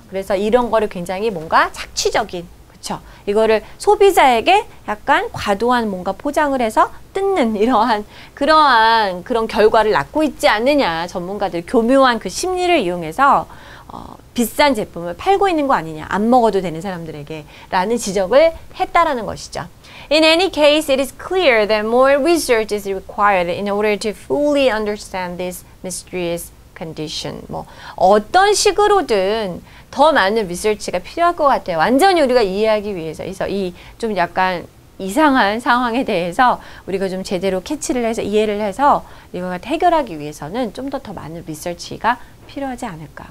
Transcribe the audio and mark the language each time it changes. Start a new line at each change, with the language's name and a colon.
Korean: 그래서 이런 거를 굉장히 뭔가 착취적인, 그렇죠? 이거를 소비자에게 약간 과도한 뭔가 포장을 해서 뜯는 이러한 그런 결과를 낳고 있지 않느냐. 전문가들 교묘한 그 심리를 이용해서 비싼 제품을 팔고 있는 거 아니냐. 안 먹어도 되는 사람들에게라는 지적을 했다라는 것이죠.
English: In any case, it is clear that more research is required in order to fully understand this mysterious condition.
Korean: 뭐, 어떤 식으로든 더 많은 리서치가 필요할 것 같아요. 완전히 우리가 이해하기 위해서. 그래서 이좀 약간 이상한 상황에 대해서 우리가 좀 제대로 캐치를 해서 이해를 해서 이거 해결하기 위해서는 좀더더 많은 리서치가 필요하지 않을까.